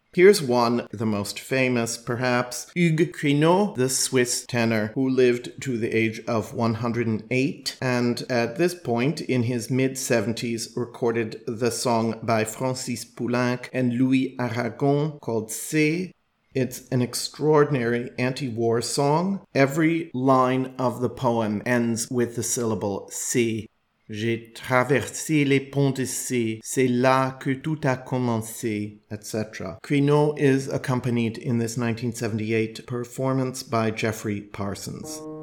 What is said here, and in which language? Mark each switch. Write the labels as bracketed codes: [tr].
[en] Here's one, the most famous, perhaps, Hugues Crineau, the Swiss tenor, who lived to the age of 108, and at this point, in his mid-70s, recorded the song by Francis Poulenc and Louis Aragon called C'est. It's an extraordinary anti-war song. Every line of the poem ends with the syllable C'est. [fr] J'ai traversé les ponts de C, c'est là que tout a commencé, etc. [en] Crineau is accompanied in this 1978 performance by Jeffrey Parsons.